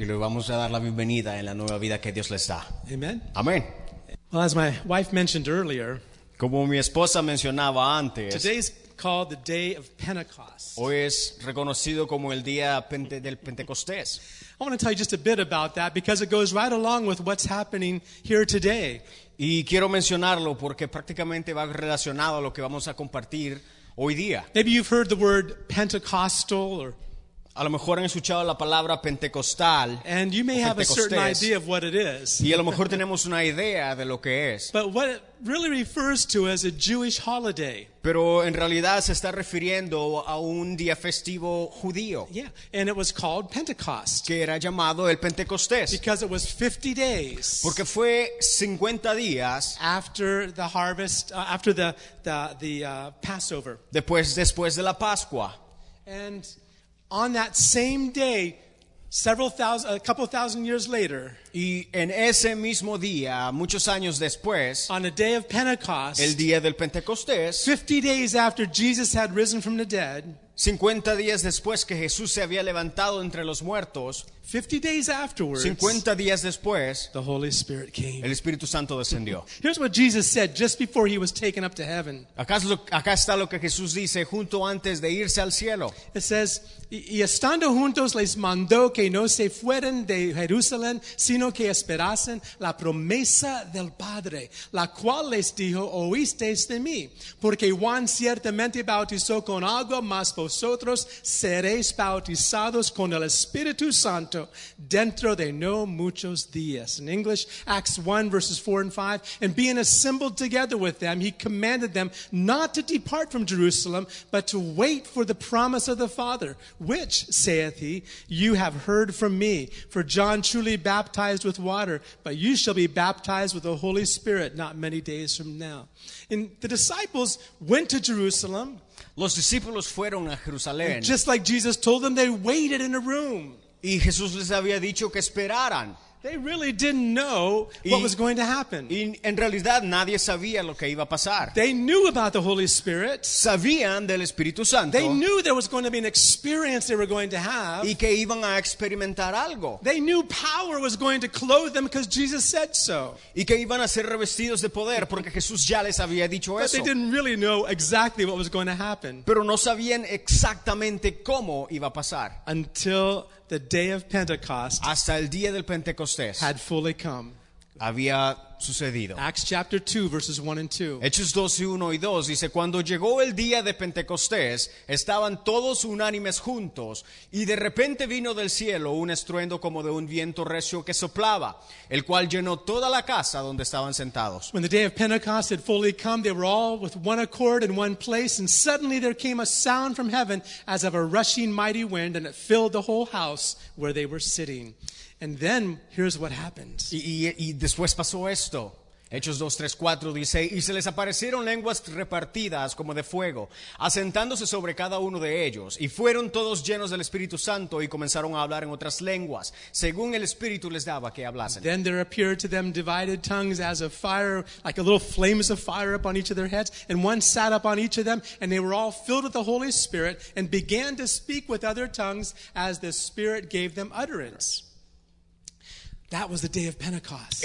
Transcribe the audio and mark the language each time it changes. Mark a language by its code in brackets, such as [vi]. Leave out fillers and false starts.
[es] Y le vamos a dar la bienvenida en la nueva vida que Dios les da. [en] Amen. [es] Amén. [en] Well, as my wife mentioned earlier, [es] como mi esposa mencionaba antes, [en] today's called the day of Pentecost. [es] Hoy es reconocido como el día del Pentecostés. [en] I want to tell you just a bit about that because it goes right along with what's happening here today. [es] Y quiero mencionarlo porque prácticamente va relacionado a lo que vamos a compartir. Hoy día. [en] Maybe you've heard the word Pentecostal, or [es] a lo mejor han escuchado la palabra pentecostal, [en] and you may have a certain idea of what it is. [es] Y a lo mejor tenemos una idea de lo que es. [en] But what it really refers to is a Jewish holiday. [es] Pero en realidad se está refiriendo a un día festivo judío. [en] Yeah, and it was called Pentecost. [es] Que era llamado el Pentecostés. [en] Because it was 50 days. [es] Porque fue 50 días [en] after the harvest, after the Passover. [es] Después de la Pascua. [en] And on that same day, a couple thousand years later, [es] y en ese mismo día, muchos años después, [en] on the day of Pentecost, [es] el día del Pentecostés, [en] 50 days after Jesus had risen from the dead, [es] 50 días después que Jesús se había levantado entre los muertos, [en] 50 days afterwards, [es] 50 días después, [en] the Holy Spirit came. [es] El Espíritu Santo descendió. [en] Here's what Jesus said just before he was taken up to heaven. [es] Acá está lo que Jesús dice junto antes de irse al cielo. [en] It says, [es] y estando juntos les mandó que no se fueran de Jerusalén, sino que esperasen la promesa del Padre, la cual les dijo, oísteis de mí, porque Juan ciertamente bautizó con agua, mas vosotros seréis bautizados con el Espíritu Santo dentro de no muchos días. [en] In English, Acts 1, verses 4 and 5. And being assembled together with them, he commanded them not to depart from Jerusalem, but to wait for the promise of the Father, which, saith he, you have heard from me. For John truly baptized. baptized with water, but you shall be baptized with the Holy Spirit not many days from now. And the disciples went to Jerusalem. [es] Los discípulos fueron a Jerusalén. [en] And just like Jesus told them, they waited in a room. [es] Y Jesús les había dicho que esperaran. [en] They really didn't know what was going to happen. [es] Y en realidad nadie sabía lo que iba a pasar. [en] They knew about the Holy Spirit. [es] Sabían del Espíritu Santo. [en] They knew there was going to be an experience they were going to have. [es] Y que iban a experimentar algo. [en] They knew power was going to clothe them because Jesus said so. [es] Y que iban a ser revestidos de poder porque Jesús ya les había dicho [en] eso. But they didn't really know exactly what was going to happen. [es] Pero no sabían exactamente cómo iba a pasar. [en] Until the day of Pentecost, [es] hasta el día del Pentecostés, [en] had fully come. [es] Había sucedido. [en] Acts chapter 2, verses 1 and 2. [es] Hechos 2, 1 y 2 dice, cuando llegó el día de Pentecostés, estaban todos unánimes juntos, y de repente vino del cielo un estruendo como de un viento recio que soplaba, el cual llenó toda la casa donde estaban sentados. [en] When the day of Pentecost had fully come, they were all with one accord in one place, and suddenly there came a sound from heaven as of a rushing mighty wind, and it filled the whole house where they were sitting. And then, here's what happens. [es] Y después pasó esto. Hechos 2, 3, 4 dice, y se les aparecieron lenguas repartidas como de fuego, asentándose sobre cada uno de ellos, y fueron todos llenos del Espíritu Santo y comenzaron a hablar en otras lenguas, según el Espíritu les daba que hablasen. [en] Then there appeared to them divided tongues as of fire, like a little flames of fire upon each of their heads, and one sat upon each of them, and they were all filled with the Holy Spirit, and began to speak with other tongues as the Spirit gave them utterance. That was the day of Pentecost.